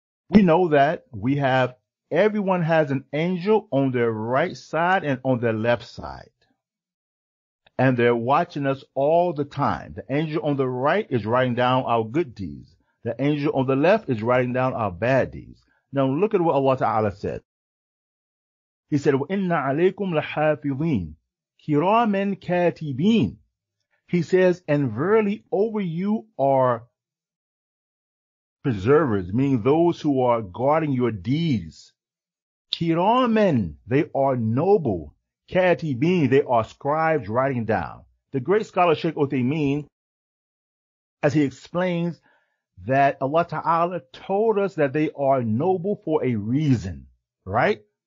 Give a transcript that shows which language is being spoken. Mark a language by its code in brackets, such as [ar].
[en] We know that everyone has an angel on their right side and on their left side. And they're watching us all the time. The angel on the right is writing down our good deeds. The angel on the left is writing down our bad deeds. Now look at what Allah Ta'ala said. He said, [ar] وَإِنَّ عَلَيْكُمْ لَحَافِظِينَ كِرَامًا كَاتِبِينَ. [en] He says, and verily over you are preservers, meaning those who are guarding your deeds. كِرَامًا, they are noble. Katibin, they are scribes writing down. The great scholar Shaykh Uthaymeen, as he explains, that Allah Ta'ala told us that they are noble for a reason, right?